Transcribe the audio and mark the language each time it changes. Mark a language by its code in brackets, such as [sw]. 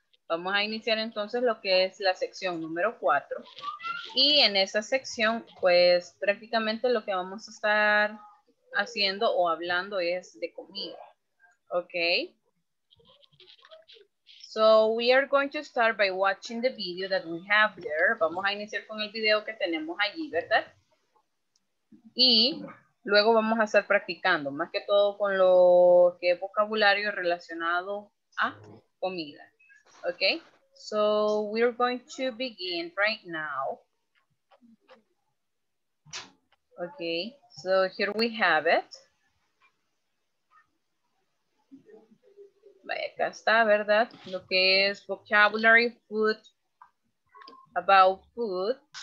[es] Vamos a iniciar entonces lo que es la sección número 4. Y en esa sección, pues prácticamente lo que vamos a estar haciendo o hablando es de comida. Okay. [en] So we are going to start by watching the video that we have there. [es] Vamos a iniciar con el video que tenemos allí, ¿verdad? Y luego vamos a estar practicando, más que todo con lo que es vocabulario relacionado a comida. [en] Okay, so we're going to begin right now. Okay, so here we have it. [es] Vaya, acá está, ¿verdad? Lo que es [en] vocabulary, food, about food.